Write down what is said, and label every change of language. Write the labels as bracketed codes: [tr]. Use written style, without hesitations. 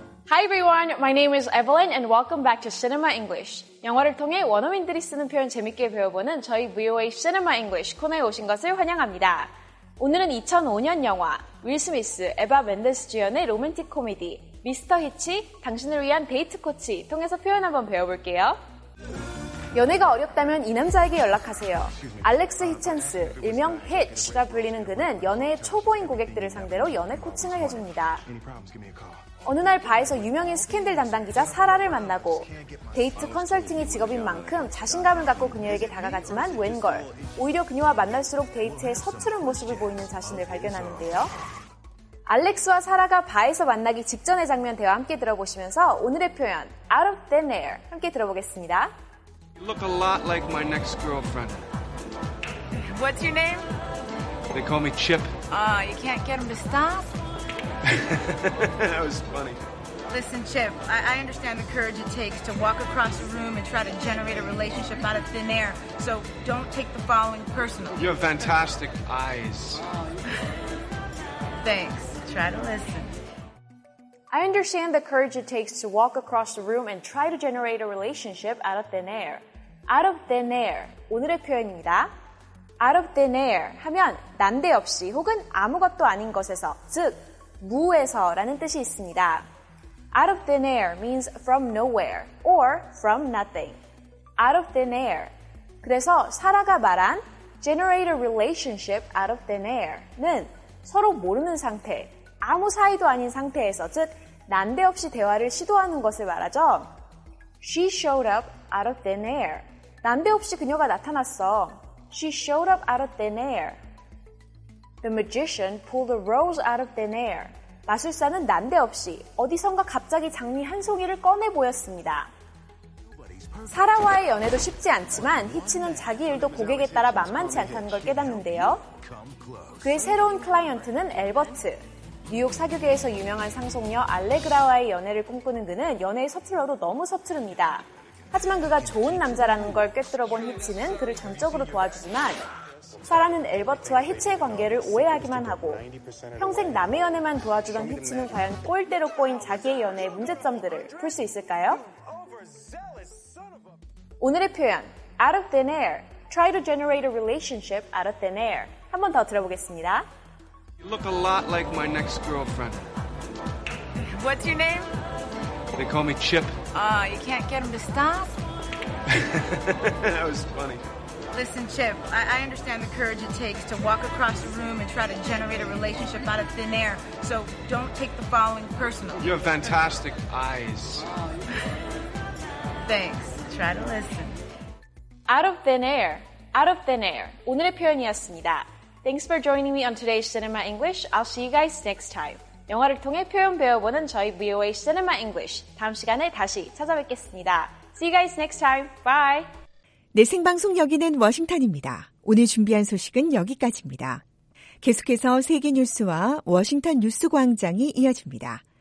[en] Hi everyone, my name is Evelyn and welcome back to Cinema English. [ko] 영화를 통해 원어민들이 쓰는 표현 재밌게 배워보는 저희 VOA Cinema English 코너에 오신 것을 환영합니다. 오늘은 2005년 영화 윌 스미스, 에바 멘데스 주연의 로맨틱 코미디 미스터 히치, 당신을 위한 데이트 코치 통해서 표현 한번 배워볼게요. 연애가 어렵다면 이 남자에게 연락하세요. 알렉스 히첸스, 일명 히치가 불리는 그는 연애의 초보인 고객들을 상대로 연애 코칭을 해줍니다. 어느 날 바에서 유명인 스캔들 담당 기자 사라를 만나고 데이트 컨설팅이 직업인 만큼 자신감을 갖고 그녀에게 다가가지만 웬걸 오히려 그녀와 만날수록 데이트에 서투른 모습을 보이는 자신을 발견하는데요. 알렉스와 사라가 바에서 만나기 직전의 장면 대화 함께 들어보시면서 오늘의 표현 Out of thin air 함께 들어보겠습니다. [en] You look a lot like my next girlfriend. What's your name? They call me Chip. You can't get him to stop? That was funny. Listen, Chip, I understand the courage it takes to walk across a room and try to generate a relationship out of thin air, so don't take the following personal. You have fantastic eyes. Thanks. Try to listen. I understand the courage it takes to walk across the room and try to generate a relationship out of thin air. [ko] Out of thin air, 오늘의 표현입니다. Out of thin air 하면 난데없이 혹은 아무것도 아닌 것에서, 즉, 무에서 라는 뜻이 있습니다. [en] Out of thin air means from nowhere or from nothing. Out of thin air. [ko] 그래서 사라가 말한 [en] generate a relationship out of thin air [ko] 는 서로 모르는 상태, 아무 사이도 아닌 상태에서, 즉 난데없이 대화를 시도하는 것을 말하죠. [en] She showed up out of thin air. [ko] 난데없이 그녀가 나타났어. [en] She showed up out of thin air. The magician pulled a rose out of thin air. [ko] 마술사는 난데없이 어디선가 갑자기 장미 한 송이를 꺼내 보였습니다. 사라와의 연애도 쉽지 않지만 히치는 자기 일도 고객에 따라 만만치 않다는 걸 깨닫는데요. 그의 새로운 클라이언트는 엘버트. 뉴욕 사교계에서 유명한 상속녀 알레그라와의 연애를 꿈꾸는 그는 연애에 서툴러도 너무 서투릅니다. 하지만 그가 좋은 남자라는 걸 꿰뚫어본 히치는 그를 전적으로 도와주지만 사라는 엘버트와 히치의 관계를 오해하기만 하고 평생 남의 연애만 도와주던 히치는 과연 꼴대로 꼬인 자기의 연애의 문제점들을 풀 수 있을까요? 오늘의 표현 Out of thin air [en] Try to generate a relationship out of thin air [ko] 한 번 더 들어보겠습니다. [en] You look a lot like my next girlfriend. What's your name? They call me Chip. You can't get him to stop? That was funny. Listen, Chip, I understand the courage it takes to walk across a room and try to generate a relationship out of thin air, so don't take the following personally. You have fantastic eyes. Thanks. Try to listen. Out of thin air. Out of thin air. [ko] 오늘의 표현이었습니다. [en] Thanks for joining me on today's Cinema English. I'll see you guys next time. [ko] 영화를 통해 표현 배워보는 저희 VOA Cinema English. 다음 시간에 다시 찾아뵙겠습니다. [en] See you guys next time. Bye. [ko] 네, 생방송 여기는 워싱턴입니다. 오늘 준비한 소식은 여기까지입니다. 계속해서 세계 뉴스와 워싱턴 뉴스 광장이 이어집니다.